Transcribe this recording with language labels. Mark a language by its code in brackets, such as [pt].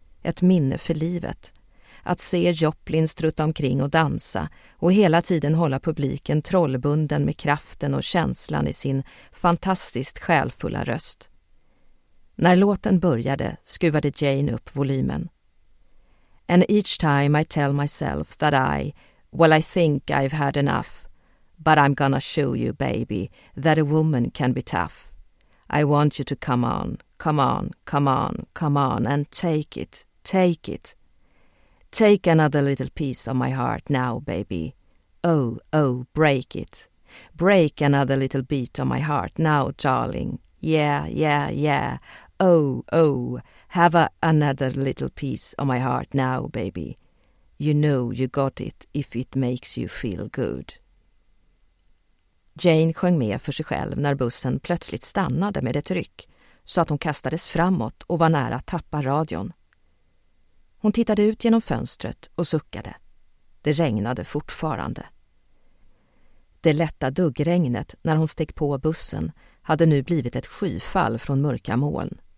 [sv] Ett minne för livet. Att se Joplin strutta omkring och dansa och hela tiden hålla publiken trollbunden med kraften och känslan i sin fantastiskt själfulla röst. När låten började skruvade Jane upp volymen. [en] And each time I tell myself that I, well I think I've had enough, but I'm gonna show you baby that a woman can be tough. I want you to come on, come on, come on, come on and take it, take it. Take another little piece of my heart now baby. Oh, oh, break it. Break another little beat of my heart now darling. Yeah, yeah, yeah. Oh, oh, have another little piece of my heart now, baby. You know you got it if it makes you feel good. [sv] Jane sjöng med för sig själv när bussen plötsligt stannade med ett ryck så att hon kastades framåt och var nära att tappa radion. Hon tittade ut genom fönstret och suckade. Det regnade fortfarande. Det lätta duggregnet när hon steg på bussen hade nu blivit ett skyfall från mörka moln.